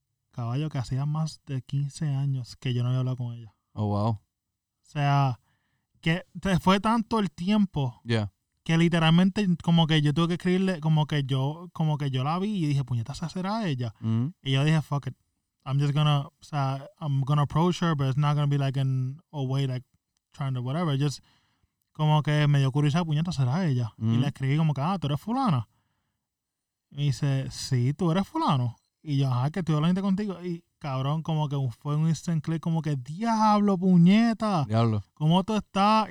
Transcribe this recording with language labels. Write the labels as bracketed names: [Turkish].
[Spanish] Caballo, que hacía más de 15 años que yo no había hablado con ella. [English] Oh, wow. [Spanish] O sea, que fue tanto el tiempo. [English] Yeah. [Spanish] Que literalmente como que yo tuve que escribirle, como que yo la vi y dije, puñeta, ¿esa será ella? Mm-hmm. Y yo dije, [English] fuck it. I'm gonna approach her, but it's not gonna be like in a way like trying to whatever. [Spanish] Just como que me dio curiosidad, puñeta, ¿será ella? Mm-hmm. Y le escribí como que, ¿tú eres fulana? Y dice, sí, tú eres fulano. Y yo, que estoy hablando contigo. Y, cabrón, como que fue un [English] instant click, [Spanish] como que, diablo, puñeta. Diablo. ¿Cómo tú estás?